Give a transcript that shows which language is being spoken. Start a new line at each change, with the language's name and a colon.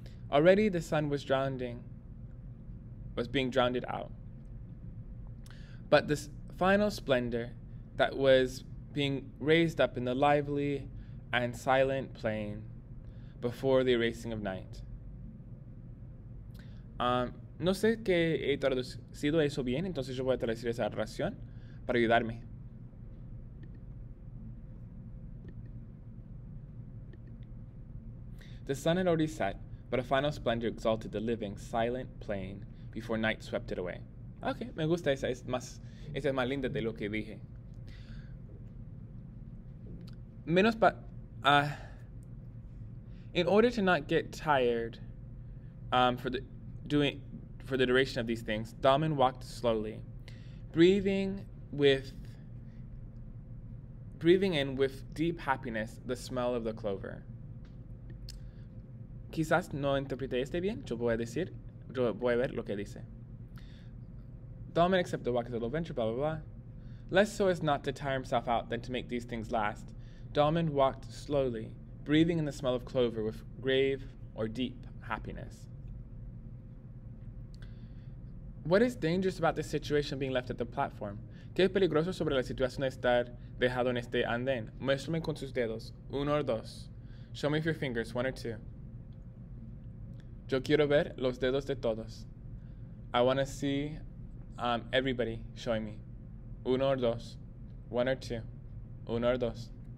English: Already the sun was being drowned out. But this final splendor that was being raised up in the lively and silent plain before the erasing of night.
Spanish: No sé que he traducido eso bien, entonces yo voy a traducir esa narración para ayudarme.
English: The sun had already set, but a final splendor exalted the living, silent plain before night swept it away.
Spanish: Okay, me gusta esa. Esa es más linda de lo que dije.
English: In order to not get tired for the duration of these things, Dalman walked slowly, breathing in with deep happiness the smell of the clover.
Spanish: Quizás no interprete este bien, yo voy a ver lo que dice.
English: Dalman accepted the walk as a little venture, blah blah blah. Less so as not to tire himself out than to make these things last, Dalman walked slowly, breathing in the smell of clover with grave or deep happiness. What is dangerous about the situation being left at the platform?
Spanish: ¿Qué es peligroso sobre la situación de estar dejado en este andén? Muéstrame con sus dedos. Uno o dos.
English: Show me with your fingers. One or two.
Spanish: Yo quiero ver los dedos de todos.
English: I want to see everybody showing me.
Spanish: Uno o dos.
English: One or two.
Spanish: Uno o dos.